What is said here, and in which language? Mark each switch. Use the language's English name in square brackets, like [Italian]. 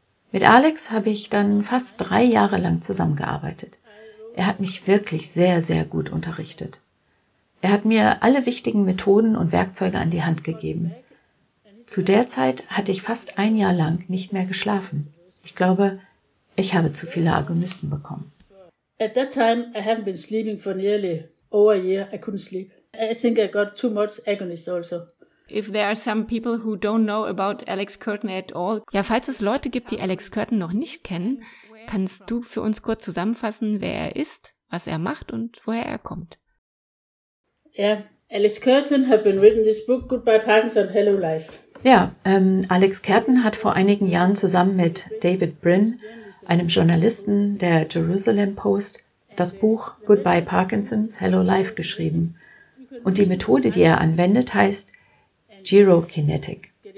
[German] Mit Alex habe ich dann fast 3 Jahre lang zusammengearbeitet. Er hat mich wirklich sehr, sehr gut unterrichtet. Er hat mir alle wichtigen Methoden und Werkzeuge an die Hand gegeben. Zu der Zeit hatte ich fast 1 Jahr lang nicht mehr geschlafen. Ich glaube, ich habe zu viele Agonisten bekommen. [English] At that time, I haven't been sleeping for nearly over a year. I couldn't sleep. I think I got too much agonist also. If there are some people who don't know about Alex Kerten at all. [German] Ja, falls es Leute gibt, die Alex Kerten noch nicht kennen, kannst du für uns kurz zusammenfassen, wer er ist, was er macht und woher er kommt. [English] Yeah, Alex Kerten have been written this book, Goodbye Parkinson, Hello Life. [German] Ja, Alex Kerten hat vor einigen Jahren zusammen mit David Brin, einem Journalisten der Jerusalem Post, das Buch Goodbye Parkinson's Hello Life geschrieben. Und die Methode, die er anwendet, heißt Gerokinetik.